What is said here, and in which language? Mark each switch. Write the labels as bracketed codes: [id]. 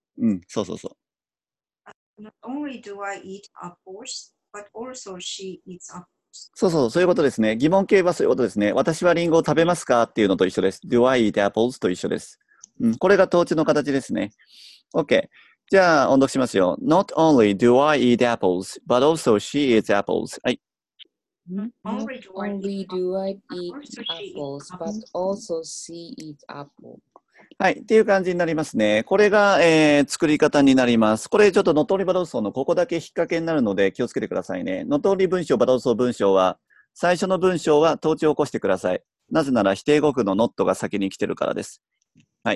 [ja] うん、そうそうそう。 [en] Not only do I eat apples? But also she eats apples. [ja] そうそう、そういうことですね。疑問形はそういうことですね。私はリンゴを食べますかっていうのと一緒です。 [en] Do I eat apples? [ja] と一緒です。うん、これが統置の形ですね。 OK。 じゃあ、音読しますよ。 [en] Not only do I eat apples, but also she eats apples. [ja] はい。 [en] Not only do I eat apples, but also she eats apples. [ja] はい。っていう感じになりますね。これが、作り方になります。これちょっと、のとおりバドウソーのここだけ引っ掛けになるので気をつけてくださいね。のとおり文章、バドウソー文章は、最初の文章は統置を起こしてください。なぜなら否定語句のノットが先に来てるからです。はい。